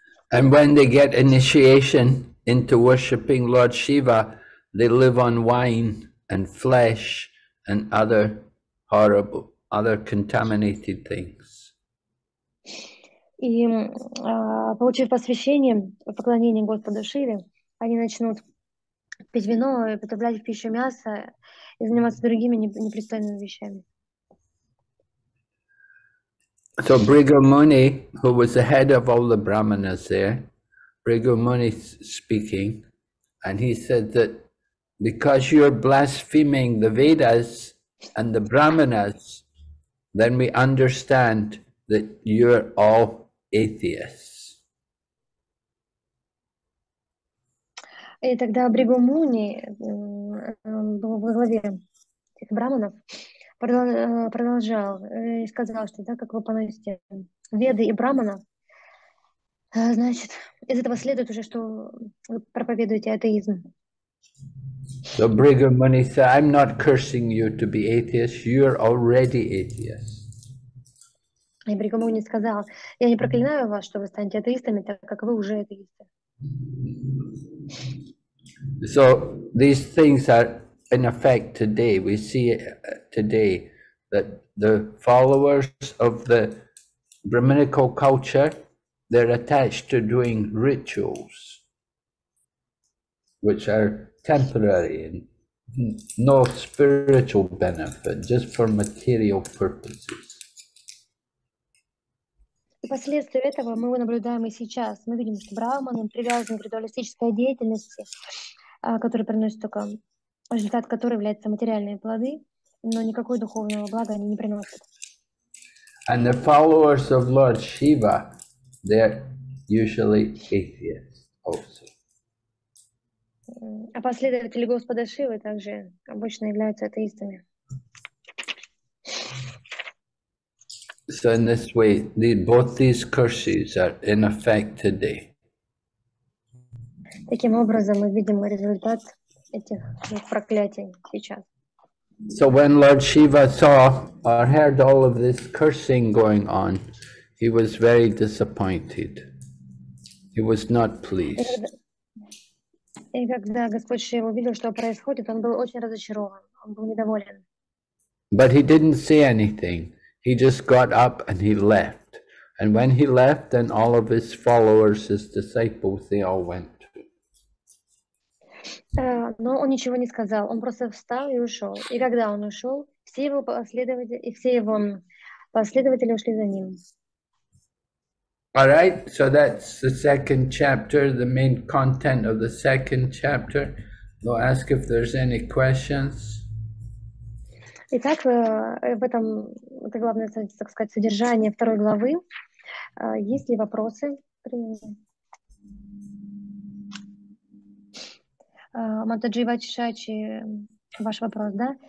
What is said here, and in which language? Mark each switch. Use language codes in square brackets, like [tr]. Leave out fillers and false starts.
[en] And when they get initiation into worshipping Lord Shiva, they live on wine and flesh and other horrible, other contaminated things. [ru] И получив посвящение в поклонении Господу Шиве, они начнут пить вино, употреблять в пищу мясо и заниматься другими непристойными вещами. [en] So Bhrigu Muni, who was the head of all the Brahmanas there, Bhrigu Muni speaking, and he said that because you're blaspheming the Vedas and the Brahmanas, then we understand that you're all atheists. [ru] И тогда Бригу Муни был во главе этих браманов, продолжал и сказал, что так как вы поносите веды и брамана, значит, из этого следует уже, что вы проповедуете атеизм. [en] So Bhrigu Muni said, I'm not cursing you to be atheist, you're already atheist. [ru] И Бригу Муни сказал, я не проклинаю вас, что вы станете атеистами, так как вы уже атеисты. [en] So these things are in effect today. We see today that the followers of the Brahminical culture, they're attached to doing rituals, which are temporary and no spiritual benefit, just for material purposes. [ru] И последствия этого мы наблюдаем и сейчас. Мы видим, что брахманы привязаны к ритуалистической деятельности, который приносит только результат, который является материальные плоды, но никакого духовного блага они не приносят. [en] And the followers of Lord Shiva, they're usually atheists also. [ru] А последователи Господа Шивы также обычно являются атеистами. [en] So in this way, both these curses are in effect today. [ru] Таким образом, мы видим результат этих проклятий сейчас. [en] So when Lord Shiva saw or heard all of this cursing going on, he was very disappointed. He was not pleased. [ru] И когда Господь Шива увидел, что происходит, он был очень разочарован, он был недоволен. [en] But he didn't say anything. He just got up and he left. And when he left, then all of his followers, his disciples, they all went. [ru] Но он ничего не сказал, он просто встал и ушел. И когда он ушел, все его последователи ушли за ним. [en] All right, so that's the second chapter, the main content of the second chapter. I'll ask if there's any questions. [ru] Итак, в этом, это главное, так сказать, содержание второй главы. Есть ли вопросы? Матаджи Вачачи, ваш вопрос, да?